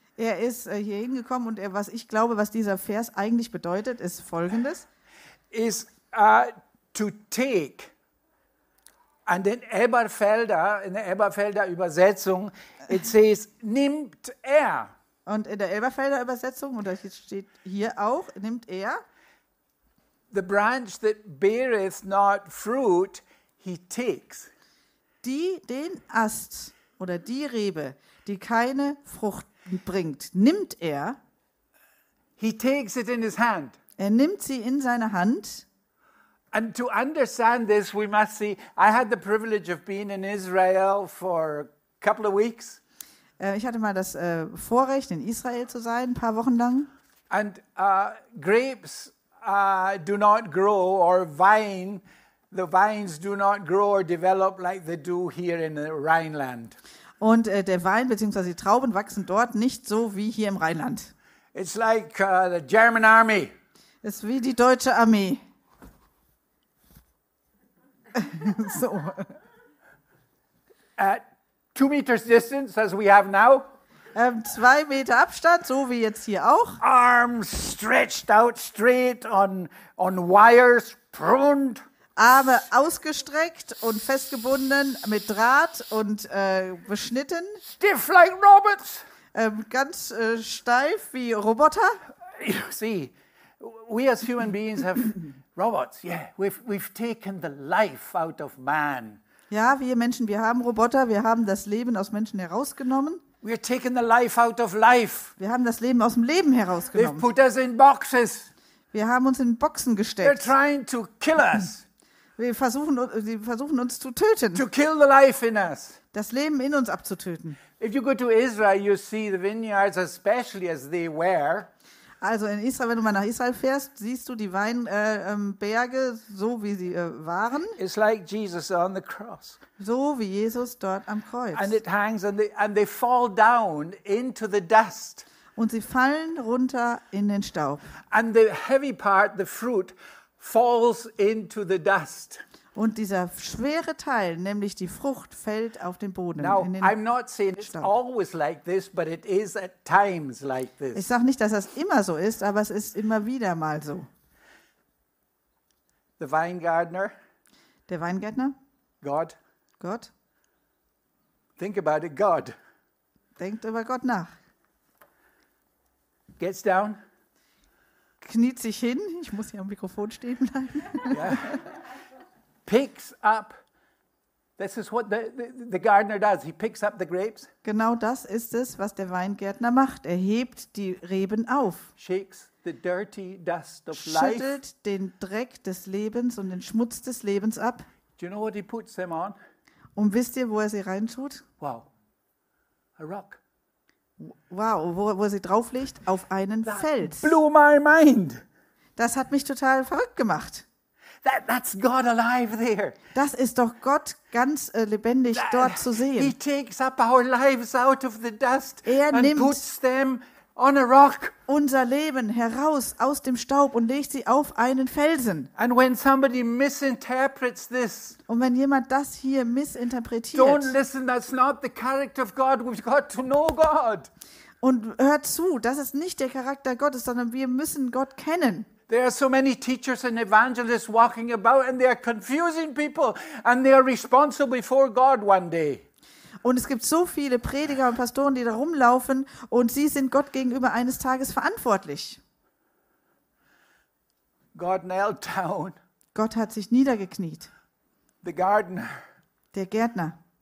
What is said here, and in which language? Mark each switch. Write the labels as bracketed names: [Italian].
[German] Er ist hier hingekommen und was ich glaube, was dieser Vers eigentlich bedeutet, ist Folgendes. [English] Is to take. And in Elberfelder, [German] in der Elberfelder Übersetzung, [English] it says, [German] nimmt er. Und in der Elberfelder Übersetzung, und das steht hier auch, nimmt er. [English] The branch that beareth not fruit, he takes. [German] Den Ast oder die Rebe, die keine Frucht bringt, nimmt er. [English] He takes it in his hand. [German] Er nimmt sie in seine Hand. [English] And to understand this, we must see. I had the privilege of being in Israel for a couple of weeks. [German] Ich hatte mal das Vorrecht, in Israel zu sein, ein paar Wochen lang. [English] And grapes do not grow, or vine, the vines do not grow or develop like they do here in the Rhineland. [German] Und der Wein bzw. die Trauben wachsen dort nicht so wie hier im Rheinland. [English] It's like the German Army. [German] Es ist wie die deutsche Armee. [English] So. At 2 meters distance, as we have now. [German] 2 Meter Abstand, so wie jetzt hier auch. [English] Arms stretched out straight on wires, pruned. [German] Arme ausgestreckt und festgebunden mit Draht und beschnitten. [English] Stiff like robots. [German] Ganz steif wie Roboter. [English] You see, we as human beings have robots. Yeah, we've taken the life out of man. [German] Ja, wir Menschen, wir haben Roboter, wir haben das Leben aus Menschen herausgenommen. [English] We've taken the life out of life. [German] Wir haben das Leben aus dem Leben herausgenommen. [English] They've put us in boxes. [German] Wir haben uns in Boxen gesteckt. [English] They're trying to kill us. [German] Sie versuchen uns zu töten. [English] To kill the life in us. [German] Das Leben in uns abzutöten. [English] If you go to Israel, you see the vineyards especially as they were. [German] Also in Israel, wenn du mal nach Israel fährst, siehst du die Weinberge so wie sie waren. [English] It's like Jesus on the cross. [German] So wie Jesus dort am Kreuz. [English] And it hangs and they fall down into the dust. [German] Und sie fallen runter in den Staub. [English] And the heavy part, the fruit, falls into the dust. [German] Und dieser schwere Teil, nämlich die Frucht, fällt auf den Boden. [English] Now, [German] in den [English] I'm not saying it's [German] Staub. [English] Always like this, but it is at times like this. [German] Ich sage nicht, dass das immer so ist, aber es ist immer wieder mal so. [English] The Weingärtner. [German] Der Weingärtner. [English] God. [German] Gott. [English] Think about it, God. [German] Denkt über Gott nach. [English] Gets down. [German] Kniet sich hin. Ich muss hier am Mikrofon stehen bleiben. [English] Yeah. Picks up. This is what the gardener does. He picks up the grapes. [German] Genau das ist es, was der Weingärtner macht. Er hebt die Reben auf. [English] Shakes the dirty dust of life. [German] Schüttelt den Dreck des Lebens und den Schmutz des Lebens ab. [English] Do you know what he puts them on? [German] Und wisst ihr, wo er sie reintut? [English] Wow. A rock. [German] Wow, wo er sie drauflegt? Auf einen [English] that [German] Fels. [English] Blew my mind. [German] Das hat mich total verrückt gemacht. [English] That's God alive there. [German] Das ist doch Gott ganz lebendig dort zu sehen. [English] He takes up our lives out of the dust [German] er [English] and [German] nimmt [English] puts them on a rock. [German] Unser Leben heraus aus dem Staub und legt sie auf einen Felsen. [English] And when somebody misinterprets this, [German] und wenn jemand das hier missinterpretiert, [English] don't listen, that's not the character of God. We've got to know God. [German] Und hört zu, das ist nicht der Charakter Gottes, sondern wir müssen Gott kennen. [English] There are so many teachers and evangelists walking about and they are confusing people and they are responsible before God one day. [German] Und es gibt so viele Prediger und Pastoren, die da rumlaufen und sie sind Gott gegenüber eines Tages verantwortlich. [English] God knelt down. [German] Gott hat sich niedergekniet. [English] The gardener. [German] Der Gärtner.